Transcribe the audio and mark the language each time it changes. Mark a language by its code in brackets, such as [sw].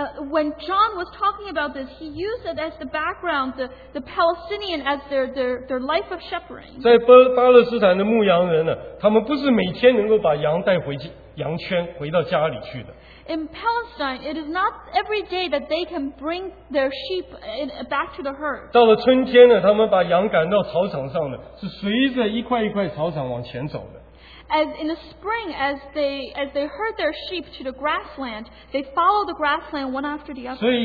[en] When John was talking about this, he used it as the background, the Palestinian as their life of shepherding. [zh] 在巴勒斯坦的牧羊人呢, 他们不是每天能够把羊带回羊圈回到家里去的。 [en] In Palestine, it is not every day that they can bring their sheep back to the herd. [zh] 到了春天呢, 他们把羊赶到草场上呢, 是随着一块一块草场往前走的。 [en] As in the spring, as they herd their sheep to the grassland, they follow the grassland one after the other.